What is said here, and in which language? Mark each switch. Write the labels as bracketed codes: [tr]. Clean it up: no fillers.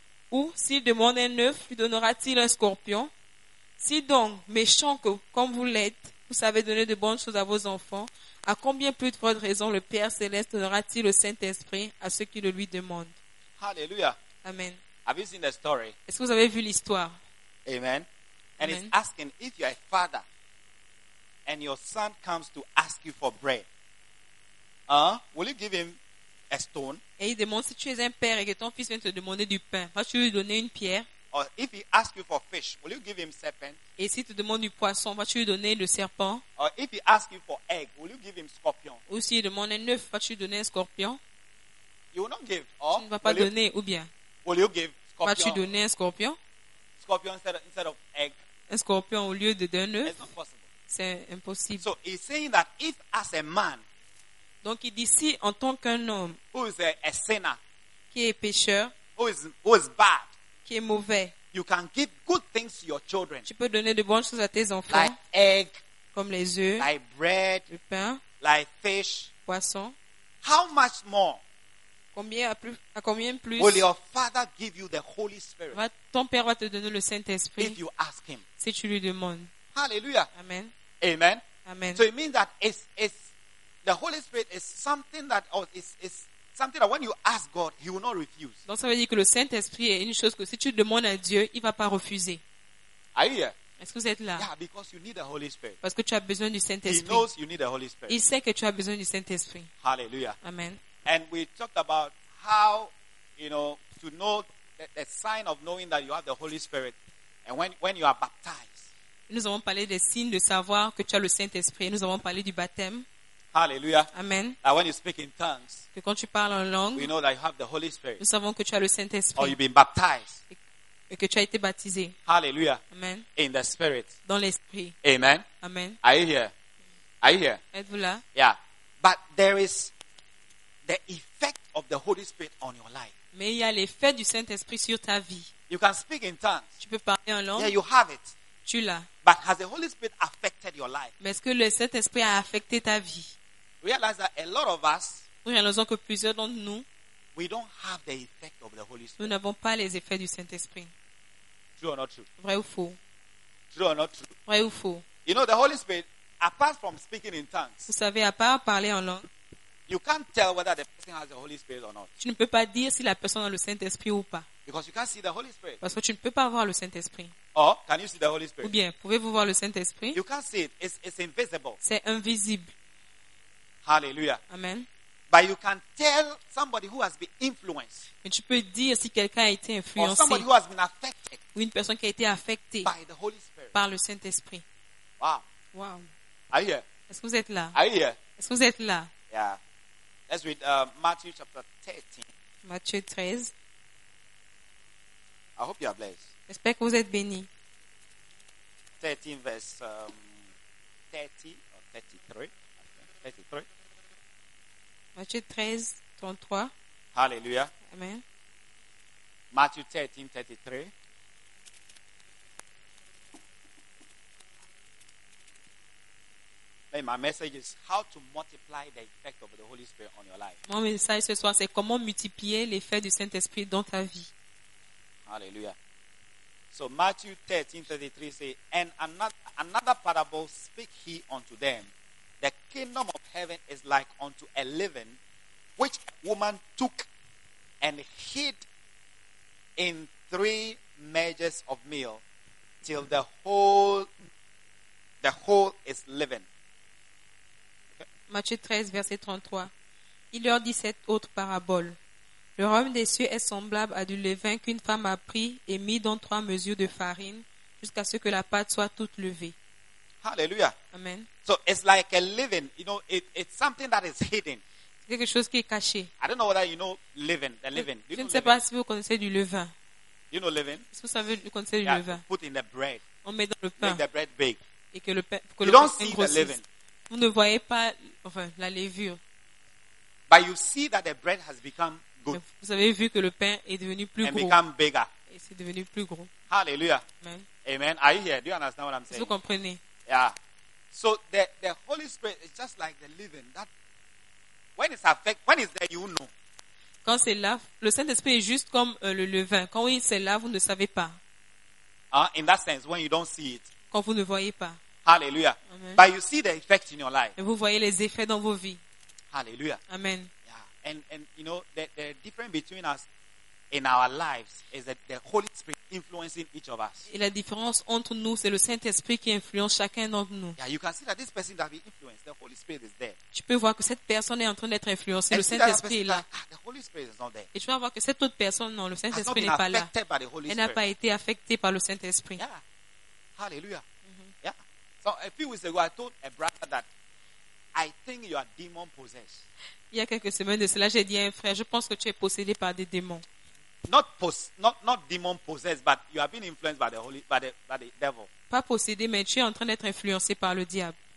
[fr] Ou s'il demande un œuf, lui donnera-t-il un scorpion? Si donc, méchant comme vous l'êtes, vous savez donner de bonnes choses à vos enfants, à combien plus de votre raison le Père Céleste donnera-t-il le Saint-Esprit à ceux qui le lui demandent? Hallelujah. Amen. [en] Have you seen the story? [fr] Est-ce que vous avez vu l'histoire? Amen. And Amen. [en] It's asking, if you're a father, and your son comes to ask you for bread, will you give him a stone? [fr] Et il demande, si tu es un père et que ton fils vient te demander du pain, vas-tu lui donner une pierre? [en] Or if he asks you for fish, will you give him serpent? [fr] Et si tu demandes du poisson, vas-tu lui donner le serpent? [en] Or if he asks you for egg, will you give him scorpion? [fr] Ou s'il demande un œuf, vas-tu lui donner un scorpion? [en] You will not give. Or [fr] tu ne vas pas donner, ou bien? [en] Will you give scorpion? [fr] Vas-tu donner un scorpion? [en] Scorpion instead of egg. [fr] Un scorpion au lieu de d'un œuf. [en] It's not possible. [fr] C'est impossible. [en] So he's saying that if as a man. [fr] Donc il dit si en tant qu'un homme [en] who is a sinner, [fr] qui est pécheur, [en] who is bad, [fr] qui est mauvais, [en] you can give good things to your children, [fr] tu peux donner de bonnes choses à tes enfants, [en] like egg, [fr] comme les œufs, [en] like bread, [fr] le pain, [en] like fish, [fr] poisson. [en] How much more? [fr] Combien plus? [en] Will your father give you the Holy Spirit? [fr] Ton père va te donner le Saint-Esprit [en] if you ask him. [fr] Si tu lui demandes. Hallelujah. Amen. Amen. Amen. [en] So it means that it's the Holy Spirit is something that is something that when you ask God, He will not refuse. [fr] Donc ça veut dire que le Saint-Esprit est une chose que si tu demandes à Dieu, il va pas refuser. [en] Are you here? [fr] Est-ce que vous êtes là? [en] Yeah, because you need the Holy Spirit. [fr] Parce que tu as besoin du Saint-Esprit. [en] He knows you need the Holy Spirit. [fr] Il sait que tu as besoin du Saint-Esprit. Hallelujah. Amen. [en] And we talked about how, you know, to know the sign of knowing that you have the Holy Spirit, and when you are baptized. [fr] Nous avons parlé des signes de savoir que tu as le Saint-Esprit. Nous avons parlé du baptême. Hallelujah. Amen. [en] That when you speak in tongues, [fr] que quand tu parles en langue, [en] we know that you have the Holy Spirit. [fr] Nous savons que tu as le Saint-Esprit. [en] Or you've been baptized. [fr] Et que tu as été baptisé. Hallelujah. Amen. [en] In the Spirit. [fr] Dans l'Esprit. Amen. Amen. [en] Are you here? Are you here? [fr] Êtes-vous là? Yeah. [en] But there is the effect of the Holy Spirit on your life. [fr] Mais il y a l'effet du Saint-Esprit sur ta vie. [en] You can speak in tongues. [fr] Tu peux parler en langue. [en] Yeah, you have it. [fr] Tu l'as. [en] But has the Holy Spirit affected your life? [fr] Mais est-ce que le Saint-Esprit a affecté ta vie? [en] Realize that a lot of us, [fr] nous réalisons que plusieurs d'entre nous, [en] we don't have the effect of the Holy Spirit. [fr] Nous n'avons pas les effets du Saint-Esprit. [en] True or not true? [fr] Vrai ou faux? [en] True or not true? [fr] Vrai ou faux? [en] You know, the Holy Spirit, apart from speaking in tongues, [fr] vous savez, à part parler en langue, [en] you can't tell whether the person has the Holy Spirit or not. [fr] Tu ne peux pas dire si la personne a le Saint-Esprit ou pas. [en] Because you can't see the Holy Spirit. [fr] Parce que tu ne peux pas voir le Saint-Esprit. [en] Or, can you see the Holy Spirit? [fr] Ou bien, pouvez-vous voir le Saint-Esprit? [en] You can't see it. It's invisible. [fr] C'est invisible. Hallelujah. Amen. [en] But you can tell somebody who has been influenced. [fr] Mais tu peux dire si quelqu'un a été influencé. [en] Or somebody who has been affected. [fr] Ou une personne qui a été affectée. [en] By the Holy Spirit. [fr] Par le Saint-Esprit. Wow. Wow. [en] Are you here? [fr] Est-ce que vous êtes là? [en] Are you here? [fr] Est-ce que vous êtes là? Yeah. [en] Let's read Matthew chapter 13. [fr] Matthieu 13. [en] I hope you are blessed. [fr] J'espère que vous êtes béni. [en] 13 verse 30 or 33. [fr] Matthieu 13, 33. Hallelujah. Amen. Matthieu 13, 33. [en] Hey, my message is how to multiply the effect of the Holy Spirit on your life. [fr] Mon message ce soir, c'est comment multiplier l'effet du Saint-Esprit dans ta vie. Hallelujah. [en] So Matthew 13, 33 says, and another parable speak he unto them. The kingdom of heaven is like unto a leaven, which a woman took and hid in 3 measures of meal, till the whole is leaven. [fr] Matthieu 13, verset 33. Il leur dit cette autre parabole. Le royaume des cieux est semblable à du levain qu'une femme a pris et mis dans 3 mesures de farine, jusqu'à ce que la pâte soit toute levée. Hallelujah. Amen. [en] So it's like a leaven. You know, it's something that is hidden. [fr] C'est quelque chose qui est caché. [en] I don't know whether you know leaven. The leaven. [fr] Je ne sais pas si vous connaissez du levain. [en] You know leaven. [fr] Est-ce que vous savez vous connaissez du levain? [en] Put in the bread. [fr] On met dans le pain. [en] Make the bread big. [fr] Et que le pain. [en] You don't see the leaven. [fr] Vous ne voyez pas enfin, la levure. [en] But you see that the bread has become good. [fr] Vous avez vu que le pain est devenu plus gros. [en] And become bigger. [fr] Et c'est devenu plus gros. Hallelujah. Amen. [en] Amen. Are you here? Do you understand what I'm saying? [fr] Vous comprenez? Yeah. [en] So the Holy Spirit is just like the living. That when it's affect, when it's there, you know. [fr] Quand c'est là, le Saint-Esprit est juste comme le levain. Quand oui, c'est là, vous ne savez pas. [en] In that sense, when you don't see it. [fr] Quand vous ne voyez pas. Hallelujah. Amen. [en] But you see the effect in your life. [fr] Et vous voyez les effets dans vos vies. Hallelujah. Amen. Yeah. [en] And you know the difference between us in our lives is that the Holy Spirit influencing each of us. [fr] Et la différence entre nous, c'est le Saint-Esprit qui influence chacun d'entre nous. [en] Yeah, you can see that this person that we influence, the Holy Spirit is there. [fr] Tu peux voir que cette personne est en train d'être influencée, [en] and [fr] le Saint-Esprit est là. [en] The Holy Spirit is not there. [fr] Et tu vas voir que cette autre personne, non, le Saint-Esprit n'est pas là. Elle n'a pas été affectée par le Saint-Esprit. Yeah. Hallelujah. [en] So a few weeks ago, I told a brother that I think you are demon possessed. [fr] Il y a quelques semaines de cela, j'ai dit à un frère, je pense que tu es possédé par des démons. [en] Not demon possessed, but you have been influenced by the holy, by the devil. [fr] Pas possédé, mais tu es en train d'être influencé par le diable.